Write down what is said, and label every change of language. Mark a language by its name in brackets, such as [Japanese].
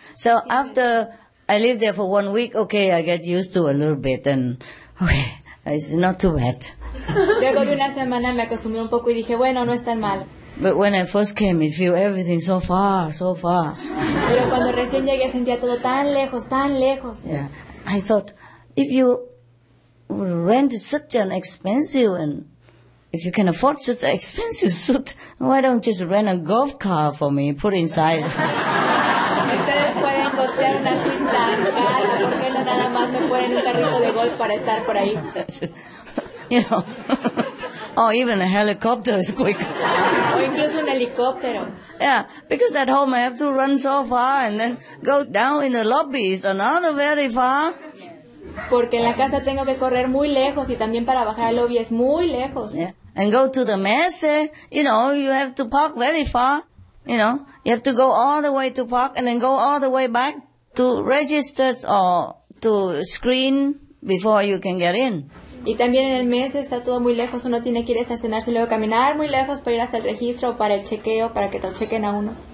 [English] So after I live there for 1 week, okay, I get used to a little bit and okay, it's not too bad. [Spanish] Luego de una semana me acostumbré un poco y dije, bueno, no es tan mal. [English] But when I first came, it felt everything so far, so far. [Spanish] Pero cuando recién llegué sentía todo tan lejos, tan lejos. [English] Yeah, I thought if you rent such an expensive and if you can afford such an expensive suit, why don't you just rent a golf car for me, put inside? [Spanish] Ustedes pueden costear una suite tan cara, ¿por qué no nada más me ponen un carrito de golf para estar por ahí? [English] You know, or even a helicopter is quick. [Spanish] O incluso un helicóptero. [English] Yeah, because at home I have to run so far and then go down in the lobby, it's another very far. [Spanish] Porque en la casa tengo que correr muy lejos y también para bajar al lobby es muy lejos. [English] Yeah. And go to the mesa, you know, you have to park very far, you know. You have to go all the way to park and then go all the way back to register or to screen before you can get in. [Spanish] Y también en el mesa está todo muy lejos, uno tiene que ir a estacionarse y luego caminar muy lejos para ir hasta el registro o para el chequeo, para que te chequen a uno.